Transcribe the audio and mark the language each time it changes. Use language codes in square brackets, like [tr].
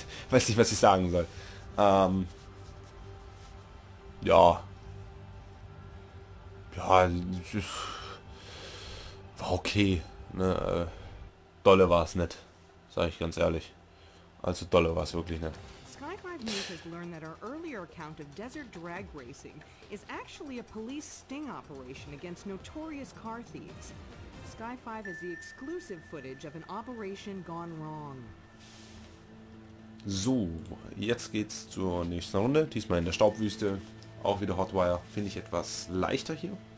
[de] Weiß nicht, was ich sagen soll. Ja. Ja, war okay. Ne, dolle war es nicht, sag ich ganz ehrlich. Also dolle war es wirklich nicht. [en] News has learned that our earlier account of desert drag racing is actually a police sting operation against notorious car thieves. Sky 5 is the exclusive footage of an operation gone wrong. [de] So, jetzt geht's zur nächsten Runde, diesmal in der Staubwüste, auch wieder Hotwire, finde ich etwas leichter hier.